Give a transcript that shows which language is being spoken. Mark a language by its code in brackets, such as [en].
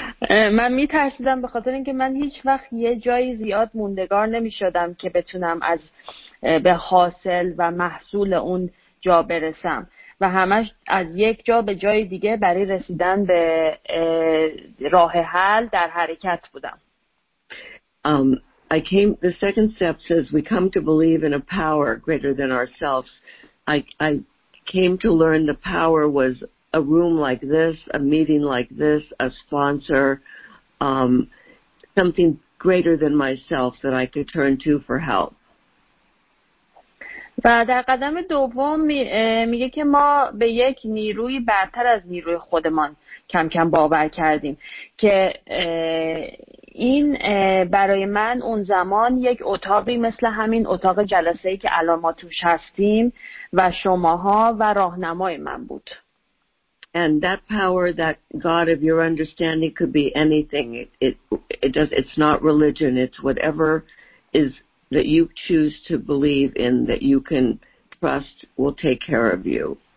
[fa] من می‌ترسیدم به خاطر اینکه من هیچ وقت یه جایی زیاد موندگار نمی‌شدم که بتونم از به حاصل و محصول اون جا برسم. و همش از یک جا به جای دیگه برای رسیدن به راه حل در حرکت بودم. [en] The second step says we come to believe in a power greater than ourselves. I came to learn the power was a room like this, a meeting like this, a sponsor, something greater than myself that I could turn to for help. [fa] و در قدم دوم میگه که ما به یک نیروی برتر از نیروی خودمان کم کم باور کردیم که این برای من اون زمان یک اتاقی مثل همین اتاق جلسه‌ای که الان ما توش هستیم و شماها و راهنمای من بود. [en] And that power, that God of your understanding could be anything. It's not religion, it's whatever is that you choose to believe in, that you can trust, will take care of you.